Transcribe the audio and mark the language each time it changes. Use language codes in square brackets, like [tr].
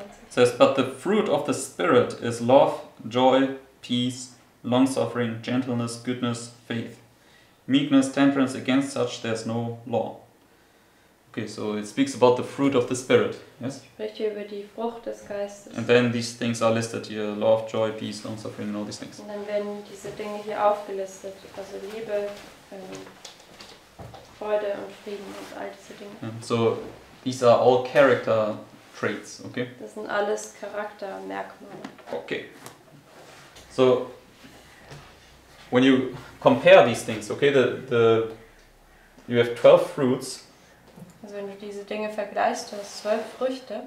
[en] It says, but the fruit of the Spirit is love, joy, peace, long-suffering, gentleness, goodness, faith, meekness, temperance. Against such there's no law. Okay, so it speaks about the fruit of the Spirit, yes? [de] Spricht hier über die Frucht des Geistes. [en] And then these things are listed here, love, joy, peace, long suffering, and all these things. [de] Und dann werden diese Dinge hier aufgelistet, also Liebe, Freude und Frieden und all diese Dinge. [en] And so these are all character traits, okay? [de] Das sind alles Charaktermerkmale. [en] Okay. So when you compare these things, okay, the you have 12 fruits. [de] Also wenn du diese Dinge vergleichst, du hast 12 Früchte.